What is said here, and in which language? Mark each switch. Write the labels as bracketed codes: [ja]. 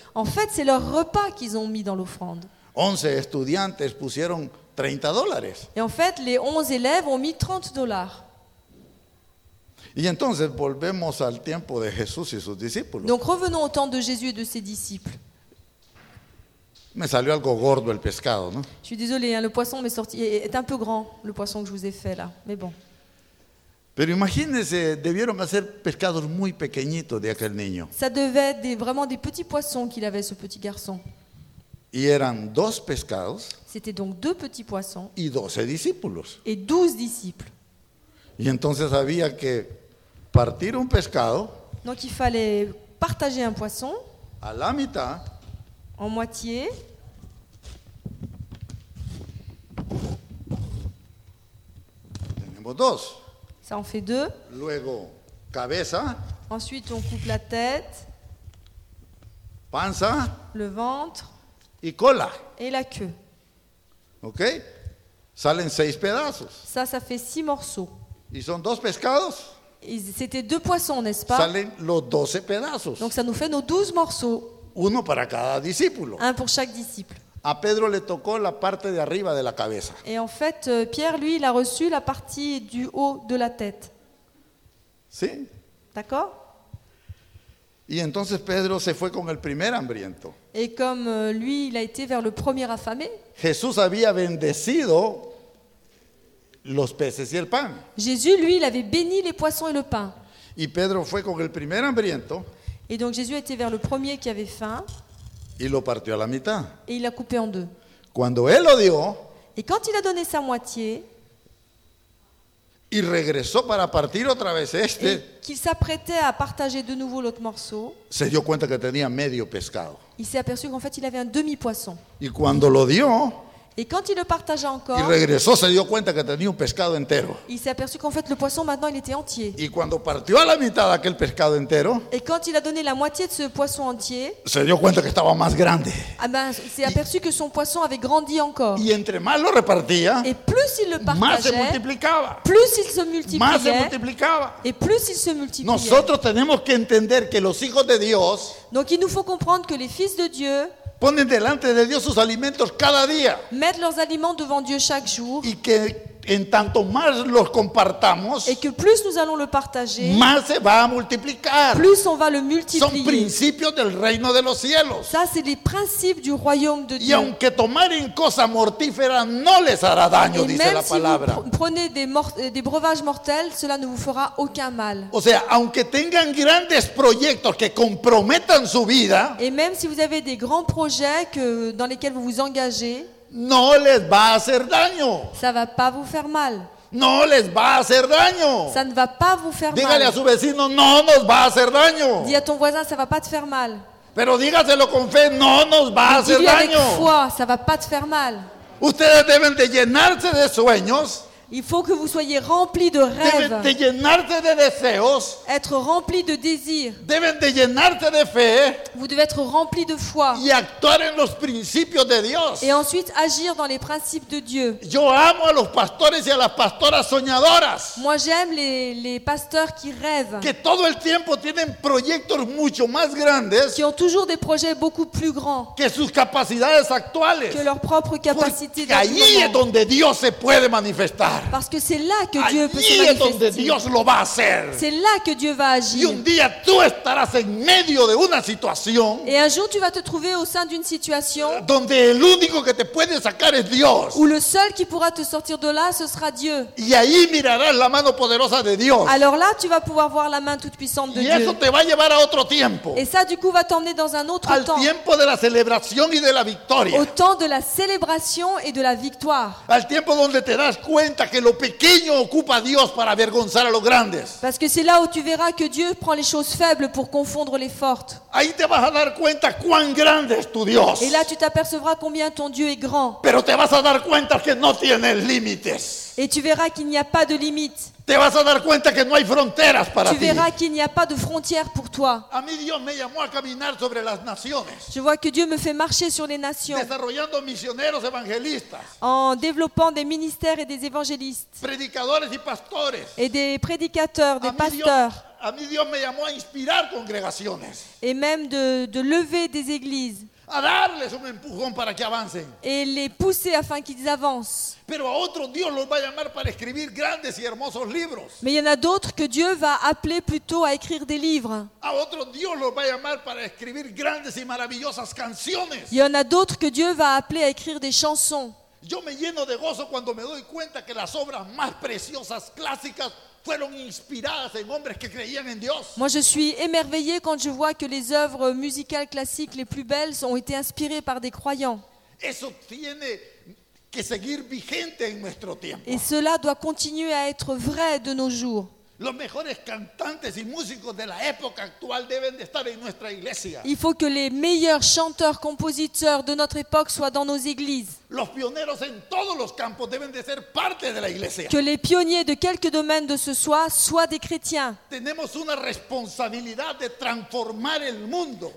[fr] En fait, c'est leur repas qu'ils ont mis dans l'offrande. [es] 11 estudiantes pusieron $30. [fr] Et en fait, les 11 élèves ont mis $30. [es] Y entonces volvemos al tiempo de Jesús y sus discípulos. [fr] Donc revenons au temps de Jésus et de ses disciples. [es] Me salió algo gordo el pescado, ¿no? [fr] Je suis désolé, hein, le poisson m'est sorti est un peu grand, le poisson que je vous ai fait là, mais bon. [es] Pero imagínense, debieron hacer pescados muy pequeñitos de aquel niño. [fr] Ça devait être vraiment des petits poissons qu'il avait ce petit garçon. [es] Y eran dos pescados. [fr] C'était donc deux petits poissons. [es] Y 12 discípulos. [fr] Et 12 disciples. [es] Y entonces había que partir un pescado. [fr] Donc il fallait partager un poisson. [es] A la mitad. [fr] En moitié. [es] Tenemos dos. [fr] Ça en fait deux. [es] Luego cabeza. [fr] Ensuite on coupe la tête. [es] Panza. [fr] Le ventre. [es] Y cola. [fr] Et la queue. [es] ¿Ok? Salen seis pedazos. [fr] Ça fait six morceaux. [es] Y son dos pescados. [fr] C'était deux poissons, n'est-ce pas? [es] Salen los 12 pedazos. [fr] Donc ça nous fait nos 12 morceaux. [es] Uno para cada discípulo. [fr] Un pour chaque disciple. [es] A Pedro le tocó la parte de arriba de la cabeza. [fr] Et en fait, Pierre, lui, il a reçu la partie du haut de la tête. [es] Sí. [fr] D'accord? [es] Y entonces Pedro se fue con el primer hambriento. [fr] Et comme lui, il a été vers le premier affamé. [es] Jesús había bendecido los peces y el pan. [fr] Jésus, lui, il avait béni les poissons et le pain. [es] Y Pedro fue con el primer hambriento. [fr] Et donc Jésus était vers le premier qui avait faim. [es] Y lo partió a la mitad. [fr] Et il a coupé en deux. [es] Cuando él lo dio. [fr] Et quand il a donné sa moitié. Il [es] regresó para partir otra vez este. [fr] Qu'il s'apprêtait à partager de nouveau l'autre morceau. [es] Se dio cuenta que tenía medio pescado. [fr] Il s'est aperçu qu'en fait il avait un demi-poisson. [es] Y cuando lo dio. [fr] Et quand il le partagea encore. [es] Y regresó, se dio cuenta que tenía un pescado entero. [fr] Il s'est aperçu qu'en fait le poisson maintenant il était entier. [es] Y cuando partió a la mitad aquel pescado entero. [fr] Et quand il a donné la moitié de ce poisson entier. [es] Se dio cuenta que estaba más grande. [fr] Ah ben, s'est aperçu que son poisson avait grandi encore. [es] Y entre más lo repartía. [fr] Et plus il le partageait. [es] Más se multiplicaba. [fr] Plus il se multipliait. [es] Más se multiplicaba. [fr] Et plus il se multipliait. [es] Nosotros tenemos que entender que los hijos de Dios. [fr] Donc il nous faut comprendre que les fils de Dieu. [es] Ponen delante de Dios sus alimentos cada día. [fr] Mettre leurs aliments devant Dieu chaque jour. [es] Y que en tanto más los compartamos. [fr] Et que plus nous allons le partager. [es] Más se va a multiplicar. [fr] Plus on va le multiplier. [es] Son principios del reino de los cielos. [fr] Ça c'est les principes du royaume de Dieu. [es] Y aunque tomaren cosa mortífera no les hará daño, dice la palabra. [fr] Si vous prenez des breuvages mortels, cela ne vous fera aucun mal. [es] O sea, aunque tengan grandes proyectos que comprometan su vida. [fr] Et même si vous avez des grands projets que dans lesquels vous vous engagez. [es] No les va a hacer daño. [fr] Ça va pas vous faire mal. [es] No les va a hacer daño. [fr] Ça ne va pas vous faire [es] dígale [fr] mal. [es] Dígale a su vecino, no nos va a hacer daño. [fr] Dis à ton voisin, ça va pas te faire mal. [es] Pero dígaselo con fe, no nos va a hacer daño. [fr] Avec foi, ça va pas te faire mal. [es] Ustedes deben de llenarse de sueños. [fr] Il faut que vous soyez remplis de rêves. [es] Deben de llenarse de deseos. [fr] Être rempli de désirs. [es] Deben de llenarse de fe. [fr] Vous devez être rempli de foi. [es] Y actuar en los principios de Dios. [fr] Et ensuite agir dans les principes de Dieu. [es] Yo amo a los pastores y a las pastoras soñadoras. [fr] Moi j'aime les pasteurs qui rêvent. [es] Que todo el tiempo tienen proyectos mucho más grandes. [fr] Qui ont toujours des projets beaucoup plus grands. [es] Que sus capacidades actuales. [fr] Que leurs propres capacités. [es] Porque allí es donde Dios se puede manifestar. [fr] Parce que c'est là que Dieu peut se manifester. [es] Donde Dios lo va a hacer. [fr] C'est là que Dieu va agir. [es] Y un día tú estarás en medio de una situación. [fr] Et un jour tu vas te trouver au sein d'une situation. [es] Donde el único que te puede sacar es Dios. [fr] Où le seul qui pourra te sortir de là, ce sera Dieu. [es] Y ahí mirarás la mano poderosa de Dios. [fr] Alors là, tu vas pouvoir voir la main toute puissante de Dieu. [es] Y eso te va a llevar a otro tiempo. [fr] Et ça, du coup, va t'emmener dans un autre temps. [es] Al tiempo de la celebración y de la victoria. [fr] Au temps de la célébration et de la victoire. [es] Al tiempo donde te das cuenta que lo pequeño ocupa a Dios para avergonzar a los grandes. [fr] Parce que c'est là où tu verras que Dieu prend les choses faibles pour confondre les fortes. [es] Ahí te vas a dar cuenta cuán grande es tu Dios. [fr] Et là tu t'apercevras combien ton Dieu est grand. [es] Pero te vas a dar cuenta que no tiene límites. [fr] Et tu verras qu'il n'y a pas de limites. [es] Te vas a dar cuenta que no hay fronteras para tu ti. [fr] Tu verras qu'il n'y a pas de frontières pour toi. [es] A mí Dios me llamó a caminar sobre las naciones. [fr] Je vois que Dieu me fait marcher sur les nations. [es] Desarrollando misioneros evangelistas. [fr] En développant des ministères et des évangélistes. [es] Predicadores y pastores. [fr] Et des prédicateurs, des pasteurs. [es] A mí Dios me llamó a inspirar congregaciones. [fr] Et même de lever des églises. [es] A darles un empujón para que avancen. [fr] Et les pousser afin qu'ils avancent. [es] Pero a otro Dios los va a llamar para escribir grandes y hermosos libros. [fr] Mais il y en a d'autres que Dieu va appeler plutôt à écrire des livres. [es] A otro Dios los va a llamar para escribir grandes y maravillosas canciones. [fr] Il y en a d'autres que Dieu va appeler à écrire des chansons. [es] Yo me lleno de gozo cuando me doy cuenta que las obras más preciosas clásicas fueron inspiradas en hombres que creían en Dios. [fr] Moi je suis émerveillé quand je vois que les œuvres musicales classiques les plus belles ont été inspirées par des croyants. [es] Eso tiene que seguir vigente en nuestro tiempo. [fr] Et cela doit continuer à être vrai de nos jours. [es] Los mejores cantantes y músicos de la época actual deben de estar en nuestra iglesia. [fr] Il faut que les meilleurs chanteurs compositeurs de notre époque soient dans nos églises. [es] Los pioneros en todos los campos deben de ser parte de la iglesia. [fr] Que les pionniers de quelque domaine de ce soient des chrétiens. [es] Tenemos una responsabilidad de transformar el mundo.